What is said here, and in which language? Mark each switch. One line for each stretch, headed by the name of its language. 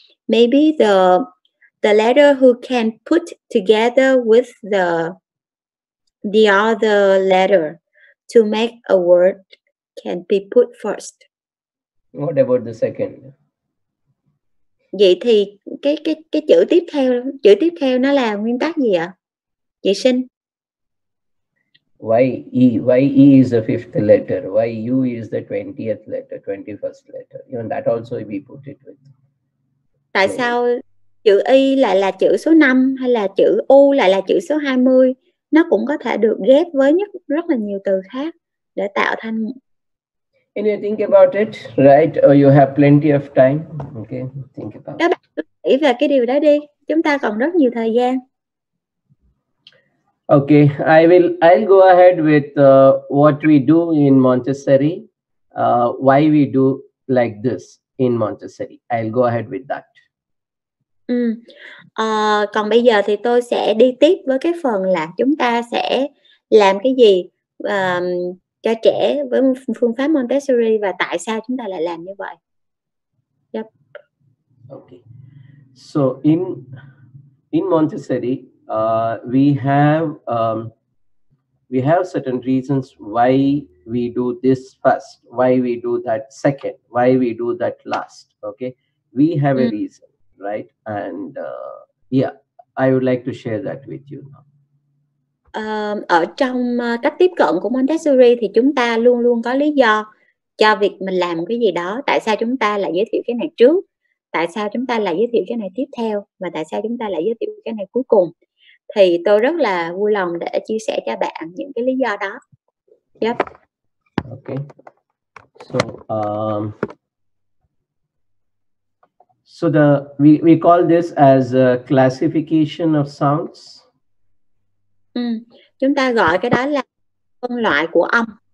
English: Maybe the letter who can put together with the other letter to make a word can be put first. What about the second?
Vietnamese: Vậy thì cái chữ tiếp theo nó là nguyên tắc gì ạ? Vậy sinh.
English: Y is the fifth letter. YU is the 20th letter, 21st letter. Even that also we put it with.
Vietnamese: Tại so, sao chữ Y lại là chữ số 5 hay là chữ U lại là chữ số 20? Nó cũng có thể được ghép với rất là nhiều từ khác để tạo thành.
English: Anyway, think about it, right? Or you have plenty of time. Okay, think about
Vietnamese: Các bạn nghĩ về cái điều đó đi. Chúng ta còn rất nhiều thời gian.
English: Okay, I'll go ahead with what we do in Montessori. Why we do like this in Montessori. I'll go ahead with that.
Vietnamese: Còn bây giờ thì tôi sẽ đi tiếp với cái phần là chúng ta sẽ làm cái gì cho trẻ với phương pháp Montessori và tại sao chúng ta lại làm như vậy.
English: Yep. Okay. So in Montessori, we have certain reasons why we do this first, why we do that second, why we do that last. Okay. We have a reason. Right, and I would like to share that with you now.
Vietnamese: Ở trong cách tiếp cận của Montessori thì chúng ta luôn luôn có lý do cho việc mình làm cái gì đó. Tại sao chúng ta lại giới thiệu cái này trước tại sao chúng ta lại giới thiệu cái này tiếp theo và tại sao chúng ta lại giới thiệu cái này cuối cùng. Thì tôi rất là vui lòng để chia sẻ cho bạn những cái lý do đó.
English: Yep. Okay. So so the we call this as a classification of sounds.
Vietnamese: Chúng ta gọi cái đó là phân loại của âm.